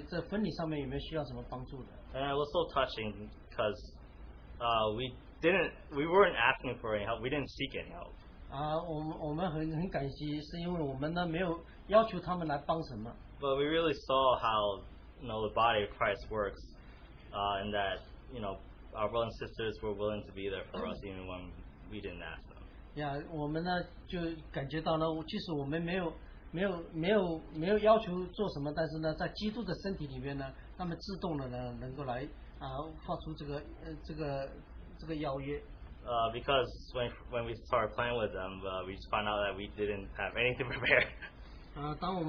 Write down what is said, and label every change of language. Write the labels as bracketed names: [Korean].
[Chinese] 他们呢把我们叫去是要问我们有没有需要在这婚礼上面有没有需要什么帮助的。 [English] And it was so touching because we weren't asking for any help. We didn't seek any help. [Chinese] 我们很感激，是因为我们呢没有要求他们来帮什么。 [English] But we really saw how, you know, the body of Christ works. And that, you know, our brothers and sisters were willing to be there for us even when we didn't ask them. [Chinese] Yeah, 我们呢就感觉到呢，即使我们没有要求做什么，但是呢，在基督的身体里面呢，他们自动的呢能够来发出这个邀约。 [English] Because when we started playing with them, we just found out that we didn't have anything prepared.